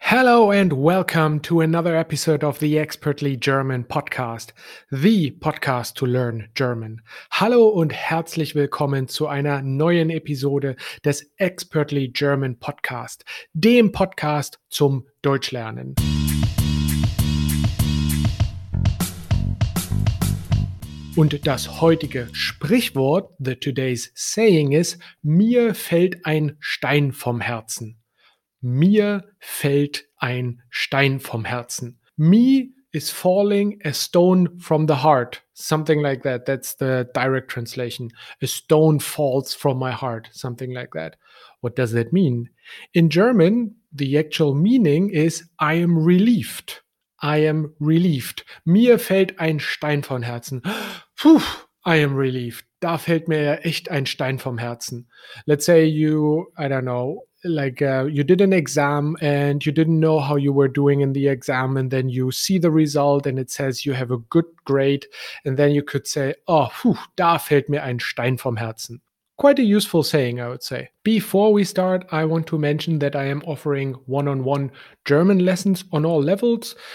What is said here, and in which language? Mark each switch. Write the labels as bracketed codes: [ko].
[en] Hello and welcome to another episode of the Expertly German Podcast, the podcast to learn German. [de] Hallo und herzlich willkommen zu einer neuen Episode des Expertly German Podcast, dem Podcast zum Deutschlernen. Und das heutige Sprichwort, [en] the today's saying is, [de] mir fällt ein Stein vom Herzen. Mir fällt ein Stein vom Herzen. [en] Me is falling a stone from the heart. Something like that. That's the direct translation. A stone falls from my heart. Something like that. What does that mean? In German, the actual meaning is I am relieved. I am relieved. [de] Mir fällt ein Stein vom Herzen. Puh, [en] I am relieved. [de] Da fällt mir ja echt ein Stein vom Herzen. [en] Let's say you, I don't know, you did an exam and you didn't know how you were doing in the exam, and then you see the result and it says you have a good grade, and then you could say, oh, phew, [de] da fällt mir ein Stein vom Herzen. [en] Quite a useful saying, I would say. Before we start, I want to mention that I am offering one-on-one German lessons on all levels.